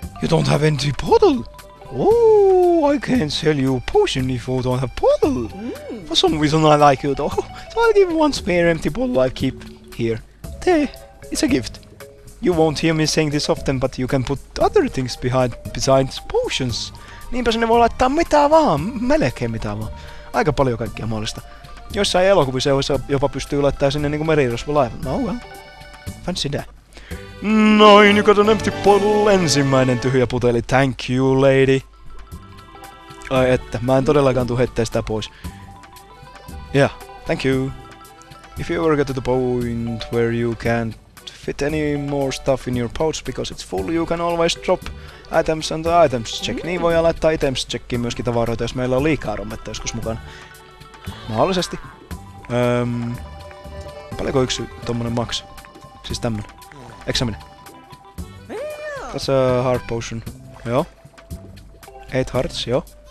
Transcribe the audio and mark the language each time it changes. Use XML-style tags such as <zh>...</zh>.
<en>You don't have any bottle? Oh, I can't sell you a potion if you don't have bottle. Mm. For some reason, I like you, though. So I'll give you one spare empty bottle I keep here. There. It's a gift. You won't hear me saying this often, but you can put other things behind besides potions.</en> <fi>Niinpä sinne voi laittaa mitään vaan, melkein mitään vaan. Aika paljon kaikkea mahdollista. Joissain elokuvissa jopa pystyy laittamaan sinne niinku merirosvolaivan.</fi> <en>No well. Fancy that. Noin, you got an empty bottle.</en> <fi>Ensimmäinen tyhjä puteli.</fi> <en>Thank you, lady.</en> <fi>Ai että, mä en todellakaan tuu heittää sitä pois.</fi> <en>Yeah, thank you. If you ever get to the point where you can't fit any more stuff in your pouch because it's full, you can always drop items and the items check.</en> <fi>Niin voi laittaa items checkiin myöskin tavaroita, jos meillä on liikaa rommetta joskus mukana. Mahdollisesti. Paljonko yksi tommonen maks? Siis tämmönen.</fi> <en>Eksamine. That's a heart potion. Joo. 8 hearts, joo.</en>